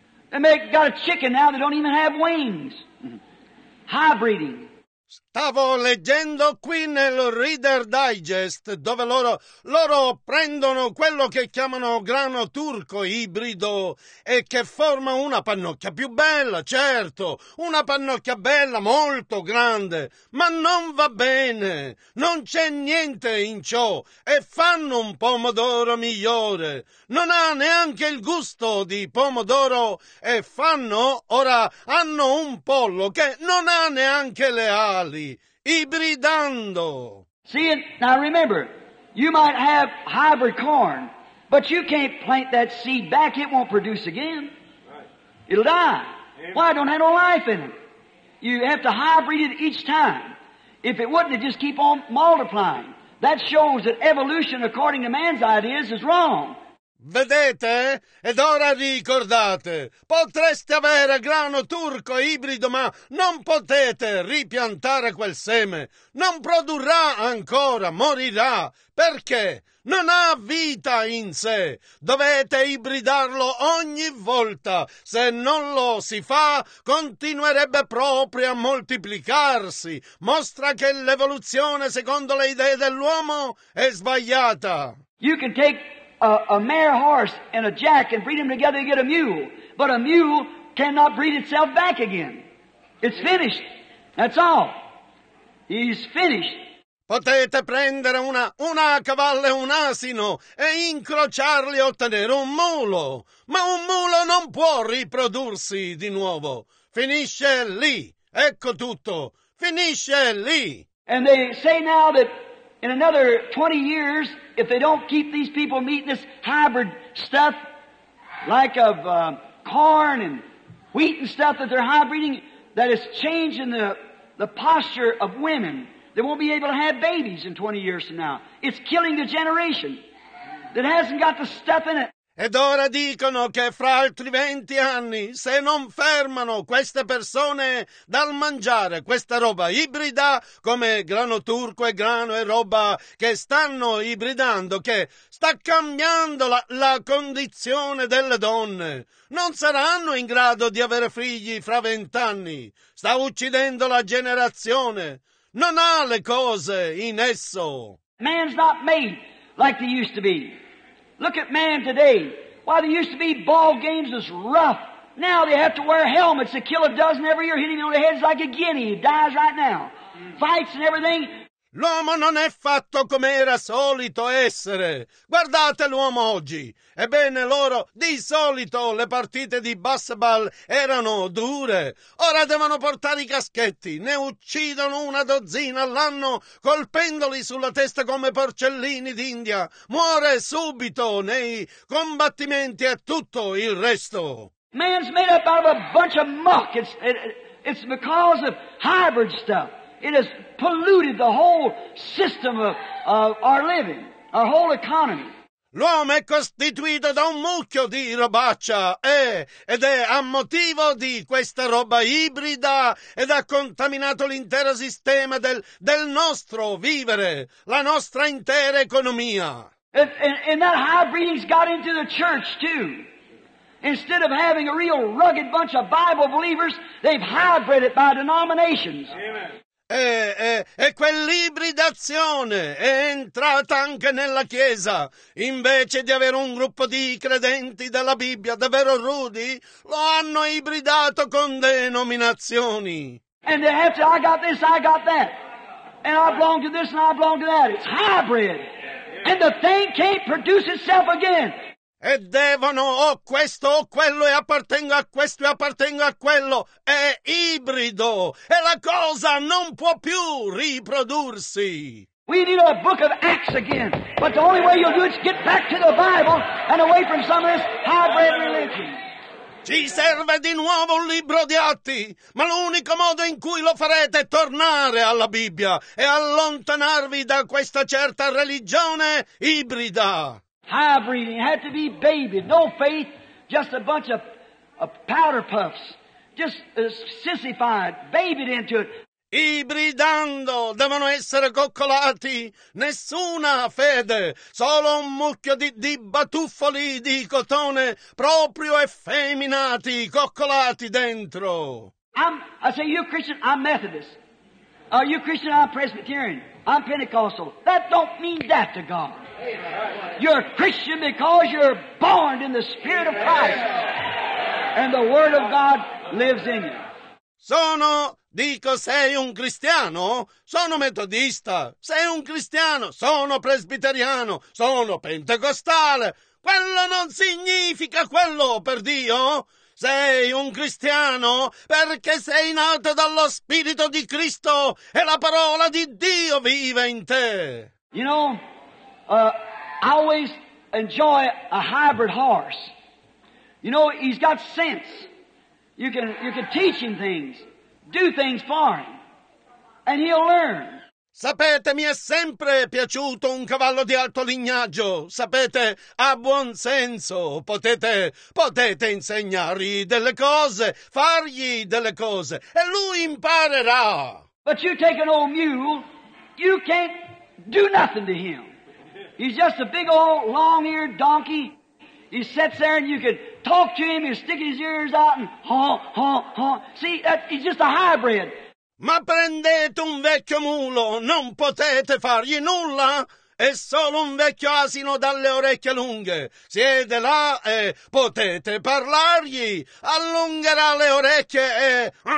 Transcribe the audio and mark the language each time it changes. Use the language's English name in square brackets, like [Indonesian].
[English] They make got a chicken now that don't even have wings. Hybriding. [Italian] Stavo leggendo qui nel Reader Digest dove loro prendono quello che chiamano grano turco ibrido e che forma una pannocchia più bella, certo, una pannocchia bella, molto grande, ma non va bene, non c'è niente in ciò e fanno un pomodoro migliore, non ha neanche il gusto di pomodoro e fanno, ora hanno un pollo che non ha neanche le ali. Ibridando. [English] See, now remember, you might have hybrid corn, but you can't plant that seed back. It won't produce again. Right. It'll die. Amen. Why? It don't have no life in it. You have to hybrid it each time. If it wouldn't, it just keep on multiplying. That shows that evolution, according to man's ideas, is wrong. [Italian] Vedete? Ed ora ricordate, potreste avere grano turco ibrido, ma non potete ripiantare quel seme. Non produrrà ancora, morirà. Perché? Non ha vita in sé. Dovete ibridarlo ogni volta. Se non lo si fa, continuerebbe proprio a moltiplicarsi. Mostra che l'evoluzione, secondo le idee dell'uomo, è sbagliata. [English] You can take a mare horse and a jack and breed them together to get a mule. But a mule cannot breed itself back again. It's finished. That's all. He's finished. [Italian] Potete prendere una cavalla e un asino e incrociarli e ottenere un mulo. Ma un mulo non può riprodursi di nuovo. Finisce lì. Ecco tutto. Finisce lì. [English] And they say now that in another 20 years, if they don't keep these people meeting this hybrid stuff, like of corn and wheat and stuff that they're hybriding, that is changing the posture of women. They won't be able to have babies in 20 years from now. It's killing the generation that hasn't got the stuff in it. [Italian] Ed ora dicono che fra altri 20 anni, se non fermano queste persone dal mangiare questa roba ibrida, come grano turco e grano e roba che stanno ibridando, che sta cambiando la condizione delle donne, non saranno in grado di avere figli fra 20 anni. Sta uccidendo la generazione. Non ha le cose in esso. [English] Man's not made like they used to be. Look at man today. Why, there used to be ball games as rough. Now they have to wear helmets to kill a dozen every year, hitting him on the head like a guinea. He dies right now. Fights and everything. [Italian] L'uomo non è fatto come era solito essere. Guardate l'uomo oggi. Ebbene, loro, di solito, le partite di basketball erano dure. Ora devono portare i caschetti. Ne uccidono una dozzina all'anno, colpendoli sulla testa come porcellini d'India. Muore subito nei combattimenti e tutto il resto. [English] Man's made up out of a bunch of muck. It's because of hybrid stuff. It has polluted the whole system of our living, our whole economy. [Italian] L'uomo è costituito da un mucchio di robaccia, ed è a motivo di questa roba ibrida ed ha contaminato l'intero sistema del nostro vivere, la nostra intera economia. [English] And that hybrid's got into the church too. Instead of having a real rugged bunch of Bible believers, they've hybrid it by denominations. Amen. [Italian] E quell'ibridazione è entrata anche nella Chiesa. Invece di avere un gruppo di credenti della Bibbia davvero rudi, lo hanno ibridato con denominazioni. [English] And they have to, I got this, I got that. And I belong to this and I belong to that. It's hybrid. And the thing can't produce itself again. [Italian] E devono o questo o quello e appartengo a questo e appartengo a quello. È ibrido e la cosa non può più riprodursi. [English] We need a book of Acts again. But the only way you'll do it is get back to the Bible and away from some of this hybrid religion. [Italian] Ci serve di nuovo un libro di Atti, ma l'unico modo in cui lo farete è tornare alla Bibbia e allontanarvi da questa certa religione ibrida. [English] Hybrid, it had to be baby, no faith, just a bunch of powder puffs, just sissified, babied into it. [Italian] Ibridando, devono essere coccolati, nessuna fede, solo un mucchio di batuffoli di cotone, proprio effeminati, coccolati dentro. [English] I say, you're Christian, I'm Methodist. Are you Christian, I'm Presbyterian. I'm Pentecostal. That don't mean that to God. You're a Christian because you're born in the Spirit of Christ, and the Word of God lives in you. [Italian] Sono, dico, sei un cristiano? Sono metodista. Sei un cristiano? Sono presbiteriano. Sono pentecostale. Quello non significa quello per Dio. Sei un cristiano perché sei nato dallo Spirito di Cristo e la parola di Dio vive in te. [English] You know, I always enjoy a hybrid horse. You know, he's got sense. You can teach him things, do things for him, and he'll learn. [Italian] Sapete, mi è sempre piaciuto un cavallo di alto lignaggio. Sapete, ha buon senso. Potete insegnargli delle cose, fargli delle cose, e lui imparerà. [English] But you take an old mule, you can't do nothing to him. He's just a big old long-eared donkey. He sits there and you can talk to him and stick his ears out and honk, honk, honk. See, he's just a hybrid. [Italian] Ma prendete un vecchio mulo, non potete fargli nulla. È solo un vecchio asino dalle orecchie lunghe. Siede là e potete parlargli. Allungherà le orecchie e...